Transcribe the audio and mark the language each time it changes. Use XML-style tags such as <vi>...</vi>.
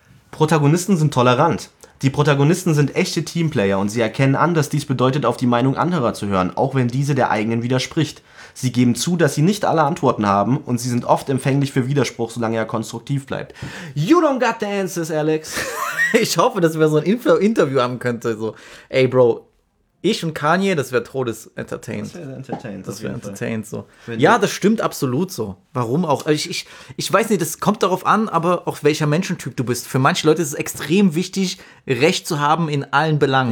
<de>Protagonisten sind tolerant. Die Protagonisten sind echte Teamplayer und sie erkennen an, dass dies bedeutet, auf die Meinung anderer zu hören, auch wenn diese der eigenen widerspricht. Sie geben zu, dass sie nicht alle Antworten haben und sie sind oft empfänglich für Widerspruch, solange er konstruktiv bleibt.</de> <en>You don't got the answers, Alex.</en> <de>Ich hoffe, dass wir so ein Interview haben könnten. So, ey, Bro, ich und Kanye, das wäre todesentertained. Das wäre entertained. So. Ja, das stimmt absolut so. Warum auch? Ich weiß nicht, das kommt darauf an, aber auch welcher Menschentyp du bist. Für manche Leute ist es extrem wichtig, Recht zu haben in allen Belangen.</de>